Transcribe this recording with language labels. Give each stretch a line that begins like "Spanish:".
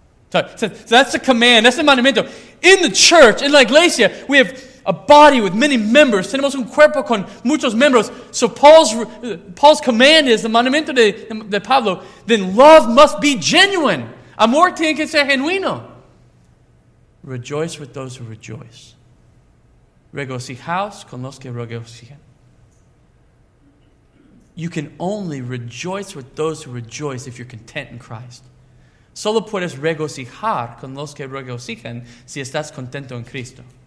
English: So that's the command, that's the mandamiento. In the church, in
Spanish: la iglesia,
English: we have a body with many members.
Spanish: Tenemos un cuerpo con muchos miembros.
English: So Paul's command is, the
Spanish: mandamiento de Pablo,
English: then love must be genuine.
Spanish: Amor tiene que ser genuino.
English: Rejoice with those who rejoice.
Spanish: Regocijaos con los que regocijan.
English: You can only rejoice with those who rejoice if you're content in Christ.
Spanish: Solo puedes regocijar con los que regocijan si estás contento en Cristo.